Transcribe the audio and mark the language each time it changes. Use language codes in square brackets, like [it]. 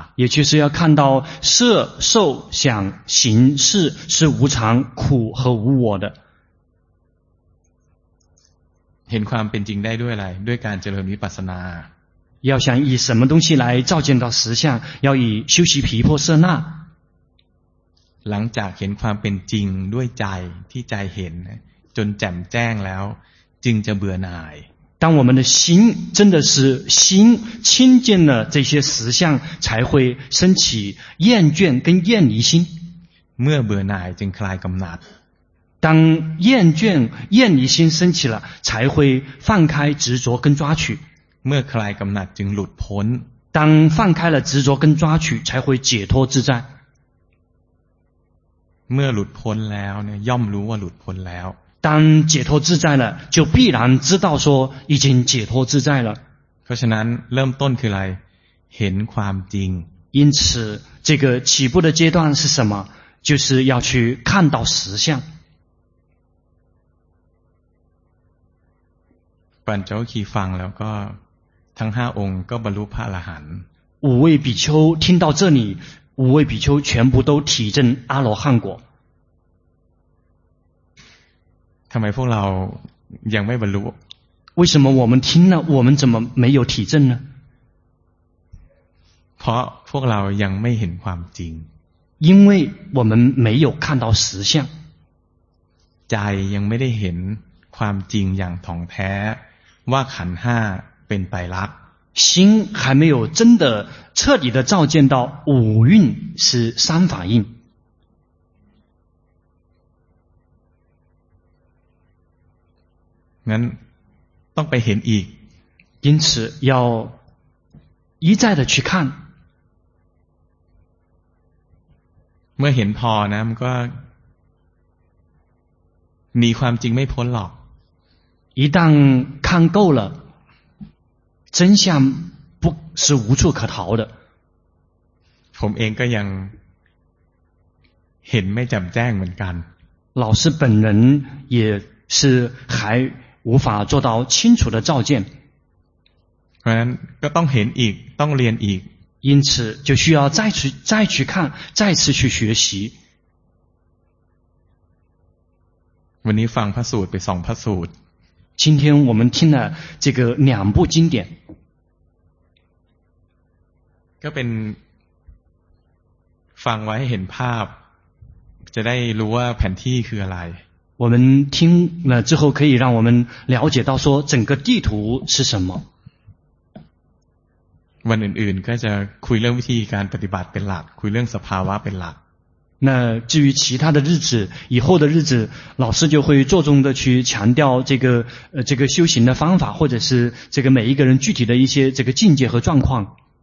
[zh] 也就是要看到色受想行识是无常苦和无我的。 [th] เห็นความเป็นจริงได้ด้วยอะไร ด้วยการเจริญวิปัสสนา [zh] 要想以什么东西来照见到实相，要以修习毗婆舍那。 [th] หลังจากเห็นความเป็นจริงด้วยใจที่ใจเห็นจนแจ่มแจ้งแล้วจึงจะเบื่อหน่าย [zh] 当我们的心真的是心亲近了这些实相才会升起厌倦跟厌离心 [th] เมื่อเบื่อหน่ายจึงคลายกำหนัด [zh] 当厌倦厌离心升起了才会放开执着跟抓取 [th] เมื่อคลายกำหนัดจึงหลุดพ้น [zh] 当放开了执着跟抓取才会解脱自在 [th] เมื่อหลุดพ้นแล้วเนี่ยย่อมรู้ว่าหลุดพ้นแล้ว [zh] 当解脱自在了就必然知道说已经解脱自在了 [th] เพราะฉะนั้นเริ่มต้นคืออะไรเห็นความจริง [zh] 因此这个起步的阶段是什么就是要去看到实相 [th] ปัญจวัคคีย์ฟังแล้วก็ทั้ง5องค์ก็บรรลุพระอรหันต์ [zh] 五位比丘听到这里五位比丘全部都体证阿罗汉果 [th] ทำไมพวกเรายังไม่บรรลุ [zh] 为什么我们听了我们怎么没有体证呢 [th] เพราะพวกเรายังไม่เห็นความจริง [zh] 因为我们没有看到实相 [th] ใจยังไม่ได้เห็นความจริงอย่างถ่องแท้ว่าขันห้าเป็นไตรลักษณ์ [zh] 心还没有真的彻底的照见到五蕴是三法印 [th] งั้นต้องไปเห็นอีก [zh] 因此要一再的去看 [th] เมื่อเห็นพอนะมันก็หนีความจริงไม่พ้นหรอก [zh] 一旦看够了真相不是无处可逃的 [th] ผมเองก็ยังเห็นไม่แจ่มแจ้งเหมือนกัน [zh] 老师本人也是还无法做到清楚的照见 [th] เพราะฉะนั้นก็ต้องเห็นอีกต้องเรียนอีก [zh] 因此就需要再去看再次去学习 [th] วันนี้ฟังพระสูตรไปสองพระสูตร [zh] 今天我们听了这个两部经典 [th] ก็เป็นฟังไว้ให้เห็นภาพจะได้รู้ว่าแผ่นที่คืออะไร [zh] 我们听了之后可以让我们了解到说整个地图是什么 [th] วันอื่นๆก็จะคุยเรื่องวิธีการปฏิบัติเป็นหลักคุยเรื่องสภาวะเป็นหลัก [zh] 那至于其他的日子以后的日子老师就会着重的去强调这个修行的方法或者是这个每一个人具体的一些这个境界和状况